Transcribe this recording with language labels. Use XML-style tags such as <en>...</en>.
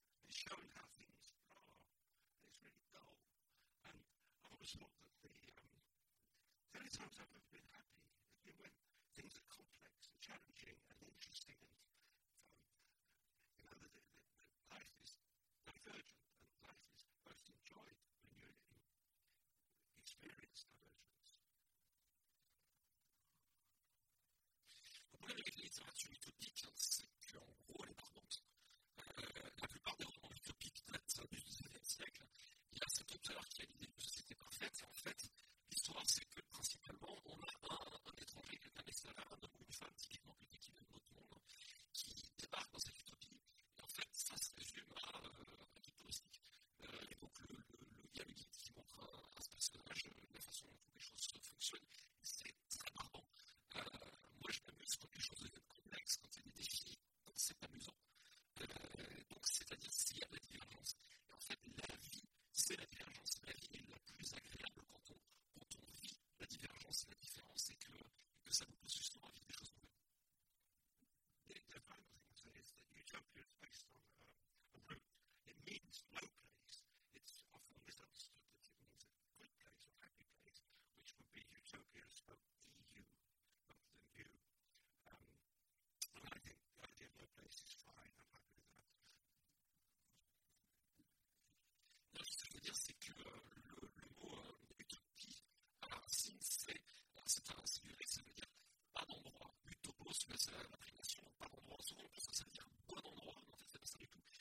<en>It's shown how things are. And it's really dull. And I always thought that the only times I've ever been happy have been when things are complex and challenging and interesting, and you know, the life is divergent. Life is most enjoyed when you experience divergence.</en> <fr>Le problème avec la littérature utopique, c'est qu'en gros, elle est barbante. La plupart des romans utopiques datent du 19e siècle. Il y a cet auteur qui a l'idée de société parfaite. En fait, l'histoire, c'est que principalement, on a un étranger, quelqu'un d'extérieur, un homme ou une femme, typiquement quelqu'un qui vient de notre monde, qui débarque dans cette utopie. Et en fait, ça se résume à un guide touristique. Et donc, le dialogue qui montre à ce personnage la façon dont les choses fonctionnent, c'est très marrant. Moi, je m'amuse quand les choses deviennent complexes, quand il y a des défis, c'est amusant. Donc, c'est-à-dire s'il y a de la divergence. Et en fait, la vie, c'est la divergence. La vie est la plus agréable quand on vit la divergence. La différence, c'est que ça nous pousse justement à vivre des choses nouvelles.</fr> <en>The final thing to say is that utopia is based on a root. It means no place. It's often misunderstood that it means a good place or happy place, which would be utopia spelled EU rather than U. And I think the idea of no place is fine. I'm happy with that.</en> <fr>Non, ce que je veux dire, c'est que le mot utopie, alors, since, c'est un signe, ça veut dire pas d'endroit. Utopos, mais c'est l'appréciation, pas d'endroit. Souvent, ça veut dire bon endroit, mais en fait, c'est pas ça du tout.</fr>